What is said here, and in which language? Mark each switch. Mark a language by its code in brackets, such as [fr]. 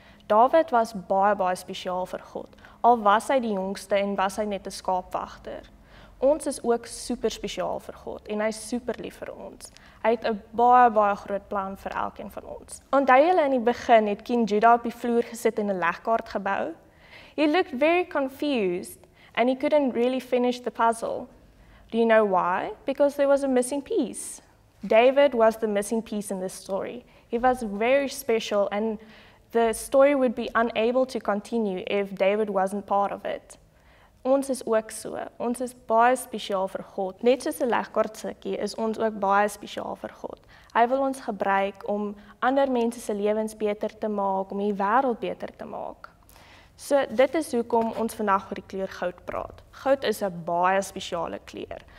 [af] David was baie, baie spesiaal vir God. Al was hy die jongste en was hy net 'n skaapwagter. Ons is ook super spesiaal vir God en hy is super lief vir ons. Hy het 'n baie, baie groot plan vir elkeen van ons. Onthou julle in die begin het King Judah op die vloer gesit en 'n legkaart gebou? [en] He looked very confused and he couldn't really finish the puzzle. Do you know why? Because there was a missing piece. David was the missing piece in this story. He was very special and the story would be unable to continue if David wasn't part of it. [af] Ons is ook so. Ons is baie spesiaal vir God. Net soos 'n legkaartstukkie is ons ook baie spesiaal vir God. Hy wil ons gebruik om ander mense se lewens beter te maak, om die wêreld beter te maak. So dit is hoekom ons vandag oor die kleur goud praat. Goud is 'n baie spesiale kleur.